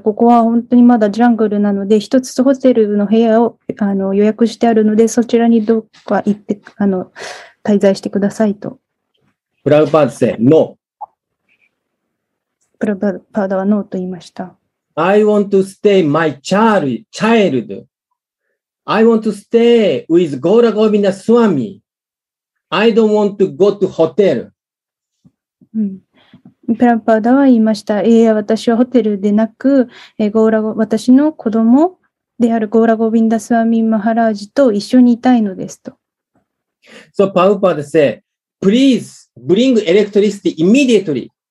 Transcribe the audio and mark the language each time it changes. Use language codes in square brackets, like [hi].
[ja] ここは本当にまだジャングルなので、一つホテルの部屋を予約してあるので、そちらにどこか行って滞在してくださいと。 [en] プラブパーダ said no. [ja] プラブパーダは no と言いました。 [en] I want to stay my child. I want to stay with Gaura Govinda Swami. I don't want to go to hotel. [ja] うん、プラパーダは言いました。いや、私はホテルでなく、私の子供であるゴーラゴビンダスワミマハラージと一緒にいたいのですと。 [en] So, Prabhupada said, please bring electricity immediately.